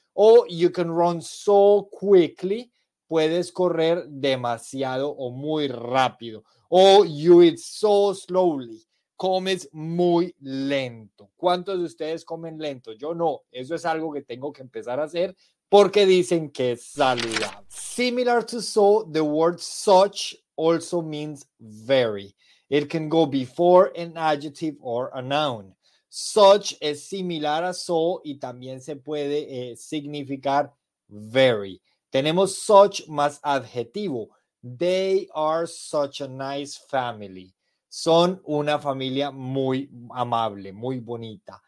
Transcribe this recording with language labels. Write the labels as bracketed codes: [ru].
[en] O you can run so quickly. [es] Puedes correr demasiado o muy rápido. [en] O you eat so slowly. [es] Comes muy lento. ¿Cuántos de ustedes comen lento? Yo no. Eso es algo que tengo que empezar a hacer porque dicen que es saludable. [en] Similar to so, the word such also means very. It can go before an adjective or a noun. [es] Such es similar a so y también se puede significar very. Tenemos such más adjetivo. [en] They are such a nice family. [es] Son una familia muy amable, muy bonita.